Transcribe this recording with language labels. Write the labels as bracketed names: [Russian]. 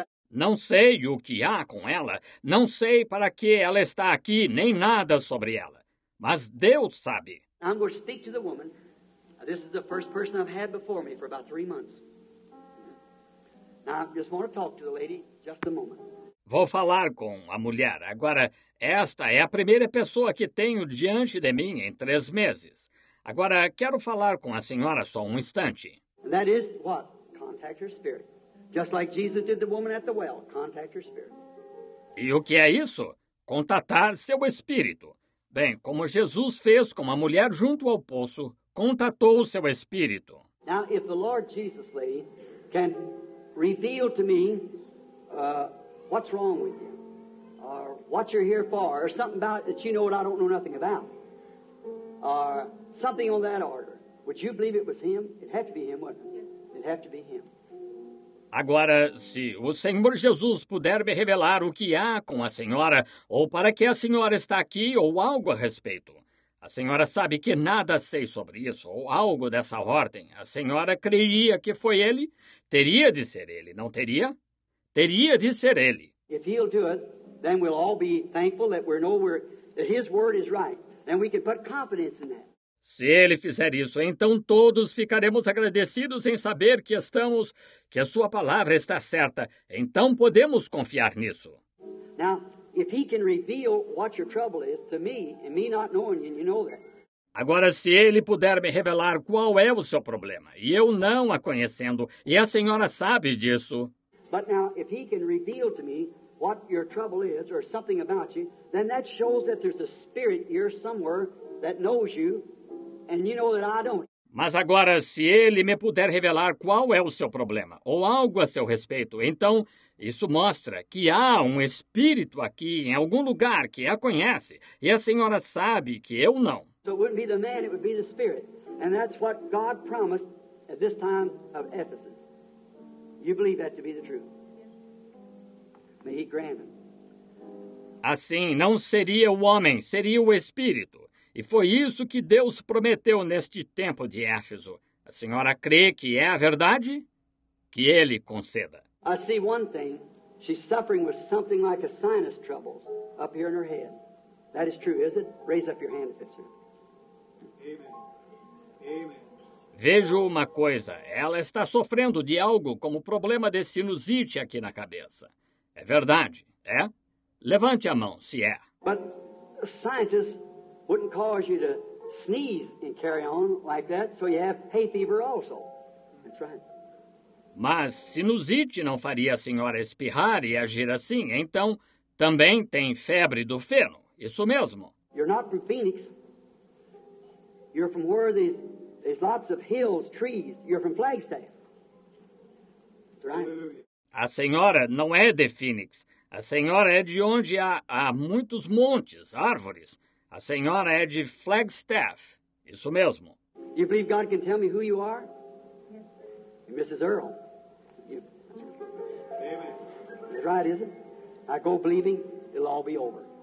[Portuguese] Não sei o que há com ela, não sei para que ela está aqui, nem nada sobre ela. Mas Deus sabe. [English] I'm going to speak to the woman. This is the first person I've had before me for about 3 months. Now, I just want to talk to the lady just a moment. [Portuguese] Vou falar com a mulher. Agora, esta é a primeira pessoa que tenho diante de mim em 3 meses. Agora, quero falar com a senhora só um instante. [English] And that is what? Contact your spirit. Just like Jesus did the woman at the well. Contact your spirit. [Portuguese] E o que é isso? Contatar seu espírito. Bem, como Jesus fez com a mulher junto ao poço, contatou o seu espírito. [English] Now, if the Lord Jesus, lady, can reveal to me what's wrong with you, or what you're here for, or something about that you know what I don't know nothing about, or something on that order. Would you believe it was him? It had to be him, wouldn't it? It had to be him. [Portuguese] Agora, se o Senhor Jesus puder me revelar o que há com a senhora, ou para que a senhora está aqui, ou algo a respeito. A senhora sabe que nada sei sobre isso, ou algo dessa ordem. A senhora creria que foi ele? Teria de ser ele, não teria? Teria de ser ele. [English] If he'll do it, then we'll all be thankful that we know we're, that his word is right. Then we can put confidence in that. [Portuguese] Se ele fizer isso, então todos ficaremos agradecidos em saber que estamos, que a sua palavra está certa. Então podemos confiar nisso. [English] Now, if he can reveal what your trouble is to me, and me not knowing you, you know that. [Portuguese] Agora, se ele puder me revelar qual é o seu problema, e eu não a conhecendo, e a senhora sabe disso. [English] But now, if he can reveal to me what your trouble is, or something about you, then that shows that there's a spirit here somewhere that knows you, and you know that I don't. [Portuguese] Mas agora, se ele me puder revelar qual é o seu problema, ou algo a seu respeito, então isso mostra que há um espírito aqui em algum lugar que a conhece, e a senhora sabe que eu não. [English] So it wouldn't be the man, it would be the spirit. And that's what God promised at this time of Ephesus. You believe that to be the truth. May he grant him. [Portuguese] Assim, não seria o homem, seria o espírito. E foi isso que Deus prometeu neste tempo de Éfeso. A senhora crê que é a verdade? Que ele conceda. [English] I see one thing. She's suffering with something like a sinus troubles up here in her head. That is true, is it? Raise up your hand if it's true. [Portuguese] Vejo uma coisa, ela está sofrendo de algo como problema de sinusite aqui na cabeça. É verdade, é? Levante a mão, se é. [English] But a scientist wouldn't cause you to sneeze and carry on like that, so you have hay fever also. That's right. [Portuguese] Mas sinusite não faria a senhora espirrar e agir assim, então também tem febre do feno, isso mesmo. [English] You're not from Phoenix. You're from where there's lots of hills, trees. You're from Flagstaff. That's right. [Portuguese] A senhora não é de Phoenix. A senhora é de onde há muitos montes, árvores. A senhora é de Flagstaff. Isso mesmo. [English] You believe God can tell me who you are? Yes, sir. Mrs. Earl. You. Amen. That's right, isn't it? I go believing, it'll all be over.